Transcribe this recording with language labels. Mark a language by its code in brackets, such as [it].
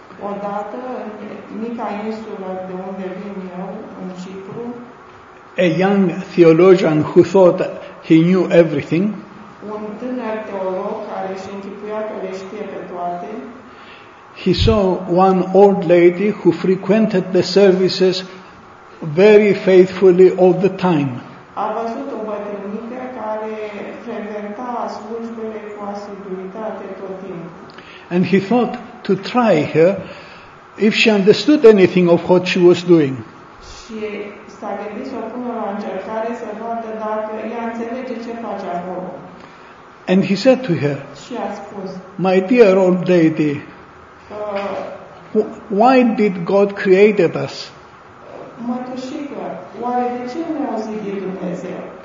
[ro] odată, mica insulă de unde vin eu, în Cipru, [en] a young theologian who thought he knew everything, [ro] un tânăr teolog care își închipuia că le știe pe toate, [en] he saw one old lady who frequented the services very faithfully all the time. [ro] A văzut o bătrânică care frecventa slujbele cu asiduitate tot timpul. [en] And he thought to try her if she understood anything of what she was doing. [ro] Și s-a gândit să o pună la încercare să vadă dacă ea înțelege ce face acolo. [en] And he said to her, [ro] și a spus, [en] my dear old lady, why did God create us? [ro] Mătușică, oare de ce ne-a zidit Dumnezeu?